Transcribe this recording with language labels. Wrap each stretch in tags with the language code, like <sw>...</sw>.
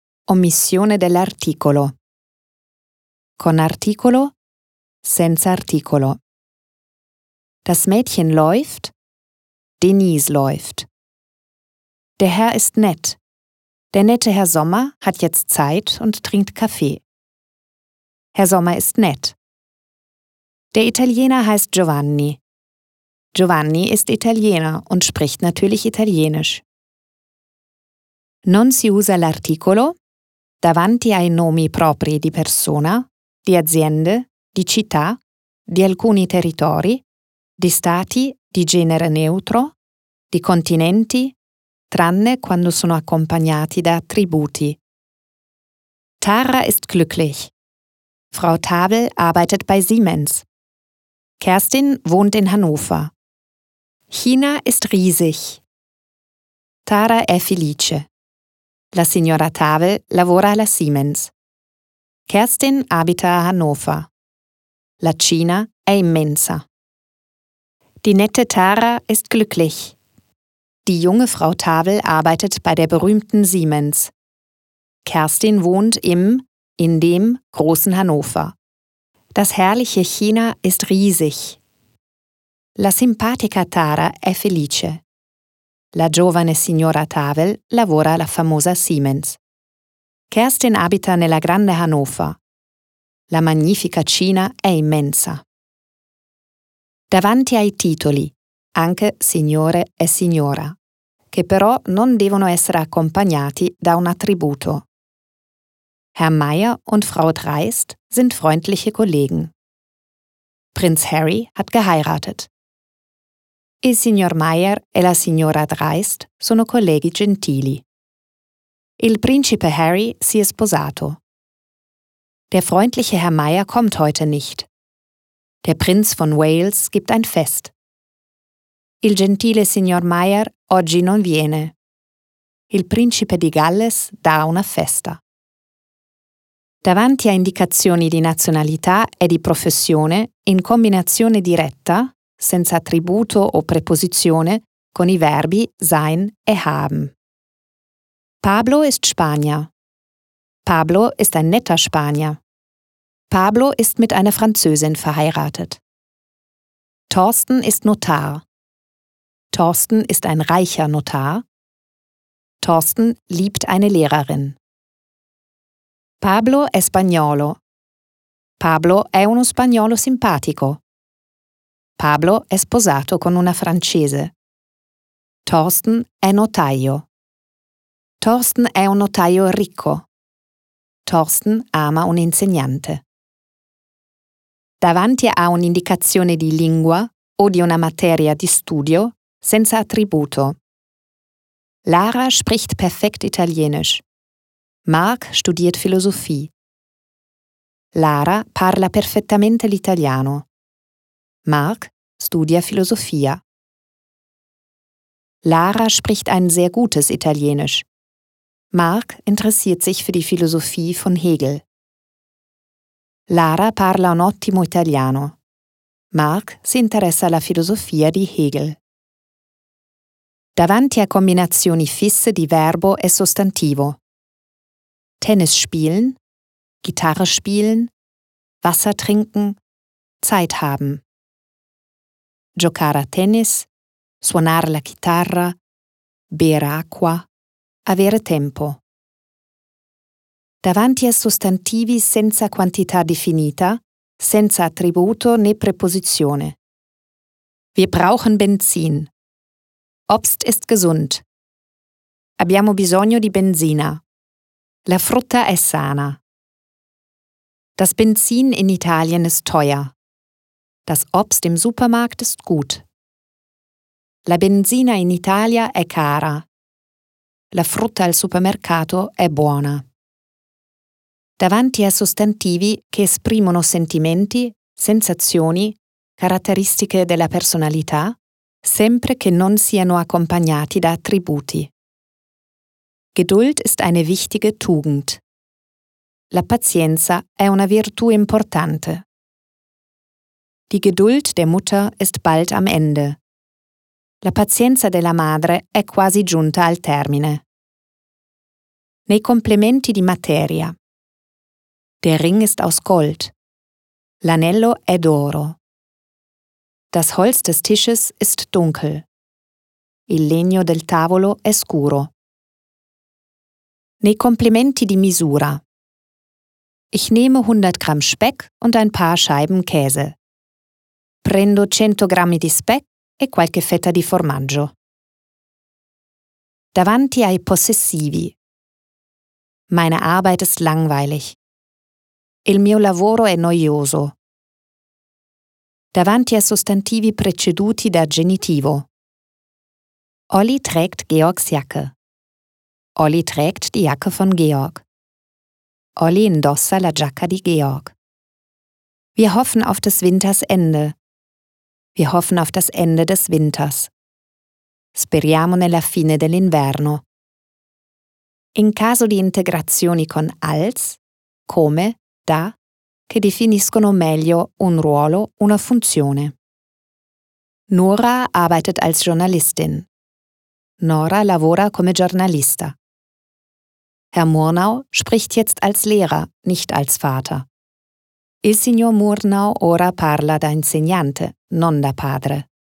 <it>Omissione dell'articolo. Con articolo, senza articolo.</it> <de>Das Mädchen läuft, Denise läuft. Der Herr ist nett. Der nette Herr Sommer hat jetzt Zeit und trinkt Kaffee. Herr Sommer ist nett. Der Italiener heißt Giovanni. Giovanni ist Italiener und spricht natürlich Italienisch.</de> <it>Non si usa l'articolo davanti ai nomi propri di persona, di aziende, di città, di alcuni territori, di stati, di genere neutro, di continenti, tranne quando sono accompagnati da attributi.</it> <de>Tara ist glücklich. Frau Tabel arbeitet bei Siemens. Kerstin wohnt in Hannover. China ist riesig.</de> <it>Tara è felice. La signora Tabel lavora alla Siemens. Kerstin abita a Hannover. La Cina è immensa.</it> <de>Die nette Tara ist glücklich. Die junge Frau Tabel arbeitet bei der berühmten Siemens. Kerstin wohnt in dem großen Hannover. Das herrliche China ist riesig.</de> <it>La simpatica Tara è felice. La giovane signora Tabel lavora alla famosa Siemens. Kerstin abita nella grande Hannover. La magnifica Cina è immensa. Davanti ai titoli, anche signore e signora, che però non devono essere accompagnati da un attributo.</it> <de>Herr Meier und Frau Dreist sind freundliche Kollegen. Prinz Harry hat geheiratet.</de> <it>Il signor Meier e la signora Dreist sono colleghi gentili. Il principe Harry si è sposato.</it> <de>Der freundliche Herr Meier kommt heute nicht. Der Prinz von Wales gibt ein Fest.</de> <it>Il gentile signor Meier oggi non viene. Il principe di Galles dà una festa. Davanti a indicazioni di nazionalità e di professione, in combinazione diretta, senza attributo o preposizione, con i verbi sein e haben.</it> <de>Pablo ist Spanier. Pablo ist ein netter Spanier. Pablo ist mit einer Französin verheiratet. Thorsten ist Notar. Thorsten ist ein reicher Notar. Thorsten liebt eine Lehrerin.</de> <it>Pablo è spagnolo. Pablo è uno spagnolo simpatico. Pablo è sposato con una francese. Thorsten è notaio. Thorsten è un notaio ricco. Thorsten ama un insegnante. Davanti a un'indicazione di lingua o di una materia di studio, senza attributo.</it> <de>Lara spricht perfekt italienisch. Mark studiert Philosophie.</de> <it>Lara parla perfettamente l'italiano. Mark studia Philosophia.</it> <de>Lara spricht ein sehr gutes Italienisch. Mark interessiert sich für die Philosophie von Hegel.</de> <it>Lara parla un ottimo italiano. Mark si interessa alla filosofia di Hegel. Davanti a combinazioni fisse di verbo e sostantivo.</it> <de>Tennis spielen, Gitarre spielen, Wasser trinken, Zeit haben.</de> <it>Giocare a tennis, suonare la chitarra, bere acqua, avere tempo. Davanti a sostantivi senza quantità definita, senza attributo né preposizione.</it> <de>Wir brauchen Benzin. Obst ist gesund.</de> <it>Abbiamo bisogno di benzina. La frutta è sana.</it> <de>Das Benzin in Italien ist teuer. Das Obst im Supermarkt ist gut.</de> <it>La benzina in Italia è cara. La frutta al supermercato è buona. Davanti a sostantivi che esprimono sentimenti, sensazioni, caratteristiche della personalità, sempre che non siano accompagnati da attributi.</it> <de>Geduld ist eine wichtige Tugend.</de> <it>La pazienza è una virtù importante.</it> <de>Die Geduld der Mutter ist bald am Ende.</de> <it>La pazienza della madre è quasi giunta al termine. nei complementi di materia.</it> <de>Der Ring ist aus Gold.</de> <it>L'anello è d'oro.</it> <de>Das Holz des Tisches ist dunkel.</de> <it>Il legno del tavolo è scuro. Nei complementi di misura.</it> <de>Ich nehme 100 Gramm Speck und ein paar Scheiben Käse.</de> <it>Prendo 100 Grammi di Speck e qualche fetta di formaggio. Davanti ai possessivi.</it> <de>Meine Arbeit ist langweilig.</de> <it>Il mio lavoro è noioso. Davanti ai sostantivi preceduti da genitivo.</it> <de>Olli trägt Georgs Jacke. Olli trägt die Jacke von Georg.</de> <it>Olli indossa la giacca di Georg.</it> <de>Wir hoffen auf das Wintersende. Wir hoffen auf das Ende des Winters.</de> <it>Speriamo nella fine dell'inverno. In caso di integrazioni con als, come, da, che definiscono meglio un ruolo, una funzione.</it> <de>Nora arbeitet als Journalistin.</de> <it>Nora lavora come giornalista.</it> <de>Herr Murnau spricht jetzt als Lehrer, nicht als Vater.</de> <it>Il signor Murnau ora parla da insegnante, non da padre.</it>